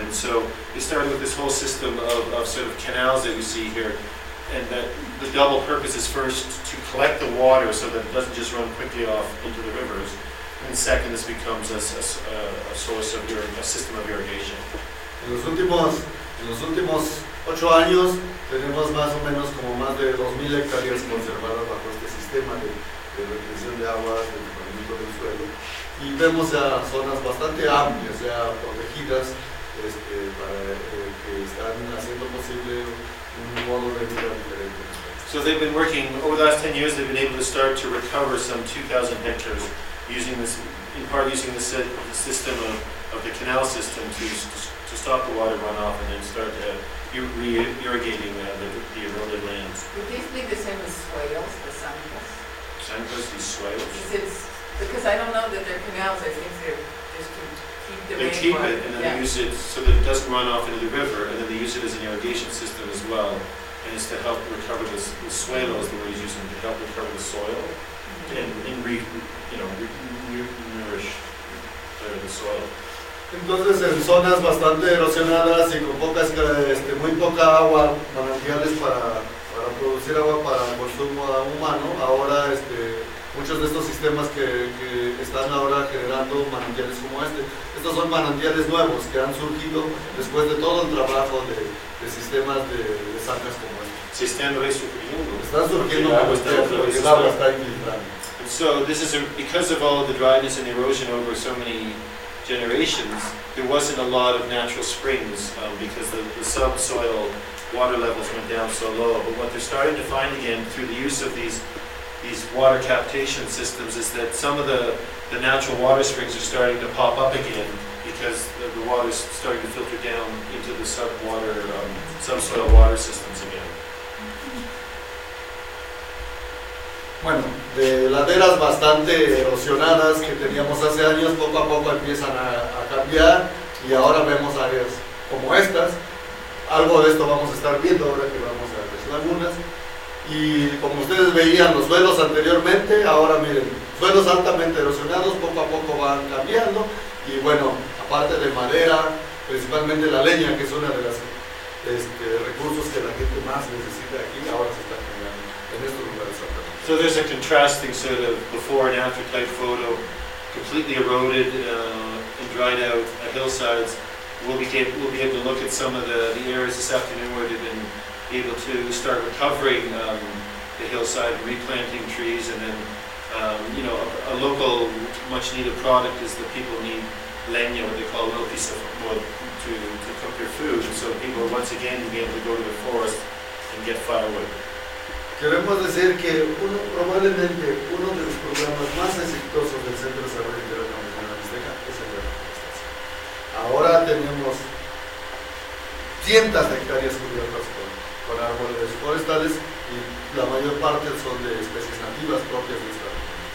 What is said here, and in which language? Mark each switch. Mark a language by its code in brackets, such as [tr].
[en] And so we started with this whole system of sort of canals that you see here, and that the double purpose is first to collect the water so that it doesn't just run quickly off into the rivers, and second, this becomes a source of a system of irrigation. [es] In los últimos 8 años tenemos más o menos como más de 2000 hectáreas conservadas bajo este sistema de retención de aguas, de mantenimiento del suelo, y vemos ya zonas bastante amplias, ya protegidas, que están haciendo posible un modo de vida diferente. [en] So they've been working over the last 10 years, they've been able to start to recover some 2000 hectares using this, in part using the system of the canal system to stop the water runoff and then start to irrigating the eroded lands. Would these be the same as swales, the zanjas? Zanjas, these swales? Because I don't know that they're canals, I think they're just to keep the rainwater. They keep it and then they use it so that it doesn't run off into the river, and then they use it as an irrigation system as well, and it's to help recover the swales, the way he's using them, to help recover the soil and re-nourish the soil. [es] Entonces, en zonas bastante erosionadas y con pocas, muy poca agua, manantiales para producir agua para el consumo humano, ahora muchos de estos sistemas que están ahora generando manantiales como este, estos son manantiales nuevos que han surgido después de todo el trabajo de sistemas de zanjas como este. Están surgiendo porque el agua está infiltrando. [en] So, this is because of all the dryness and erosion over so many generations, there wasn't a lot of natural springs because the subsoil water levels went down so low. But what they're starting to find again through the use of these water captation systems is that some of the natural water springs are starting to pop up again because the water is starting to filter down into the subsoil water systems again. [es] Bueno, de laderas bastante erosionadas que teníamos hace años, poco a poco empiezan a cambiar, y ahora vemos áreas como estas. Algo de esto vamos a estar viendo ahora que vamos a las lagunas. Y como ustedes veían los suelos anteriormente, ahora miren, suelos altamente erosionados, poco a poco van cambiando. Y bueno, aparte de madera, principalmente la leña, que es una de las recursos que la gente más necesita aquí, ahora se está generando en estos lugares. [en] So there's a contrasting sort of before and after type photo, completely eroded and dried out hillsides, we'll be able to look at some of the areas this afternoon where they've been able to start recovering the hillside, replanting trees, and then you know, a local much needed product is that people need leña, what they call a little piece of wood to cook their food, and so people are once again being able to go to the forest and get firewood. [es] Queremos decir que uno, probablemente uno de los programas más exitosos del Centro de Salud Interamericana Mixteca es el de la forestación. Ahora tenemos cientos de hectáreas cubiertas con árboles forestales y la mayor parte son de especies nativas propias de esta región.